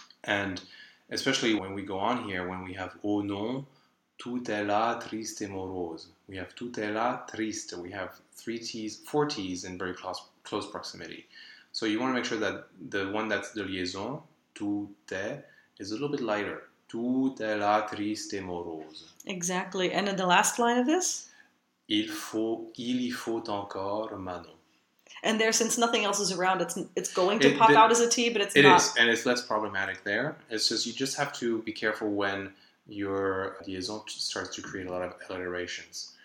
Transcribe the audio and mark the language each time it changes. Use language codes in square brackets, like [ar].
[en] And especially when we go on here, when we have [fr] au nom, tout est là triste et morose, [en] we have [fr] tout est là triste, [en] we have three T's, four T's in very close proximity. So you want to make sure that the one that's the liaison, [fr] tout est, [en] is a little bit lighter. [fr] Tout est là triste et morose. [en] Exactly. And in the last line of this? [fr] Il faut encore Manon. [en] And there, since nothing else is around, it's going to pop out as a T, but it's not. It is, and it's less problematic there. It's just, you just have to be careful when your liaison starts to create a lot of alliterations.